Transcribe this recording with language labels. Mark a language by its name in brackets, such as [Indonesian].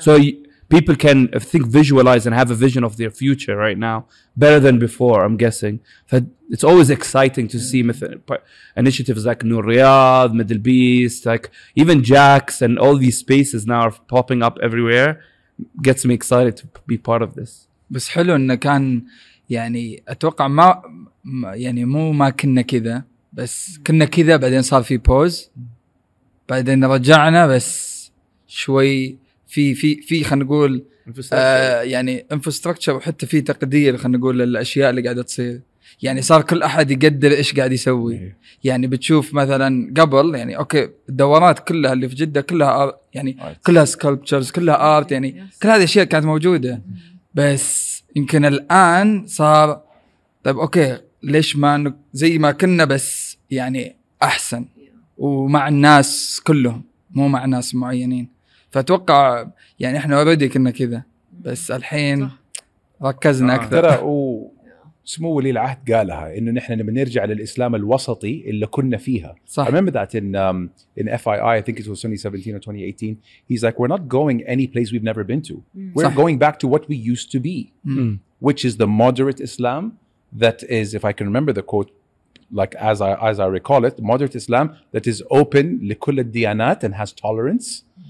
[English] So people can think visualize and have a vision of their future right now better than before, I'm guessing. It's always exciting to see initiatives like Noor Riyadh, Middle Beast, like even Jax and all these spaces now are popping up everywhere. Gets me excited to be part of this. [Arabic] بس حلو انه كان يعني اتوقع ما يعني مو ما كنا كذا بس كنا كذا بعدين صار في بوز بعدين رجعنا بس شوي في في في خلينا نقول يعني انفراستراكشر وحتى في تقدير خلينا نقول للاشياء اللي قاعده تصير. يعني صار كل احد يقدر ايش قاعد يسوي. يعني بتشوف مثلا قبل يعني اوكي الدورات كلها اللي في جده كلها يعني كلها سكالبتشرز كلها ارت يعني كل هذه الاشياء كانت موجوده بس يمكن الان صار طيب اوكي ليش ما زي ما كنا بس يعني احسن ومع الناس كلهم مو مع ناس معينين. فأتوقع يعني إحنا أوريدي كنا كذا بس الحين ركزنا أكثر. ترى وسمو ولي العهد قالها إنه نحن لما نرجع للإسلام الوسطي اللي كنا فيها. صح. [English] Remember that in FII, I think it was 2017 or 2018. He's like, we're not going any place we've never been to. We're going back to what we used to be, which is the moderate Islam. That is, if I can remember the quote, like as I recall it, moderate Islam that is open [Arabic] لكل الديانات [English] and has tolerance.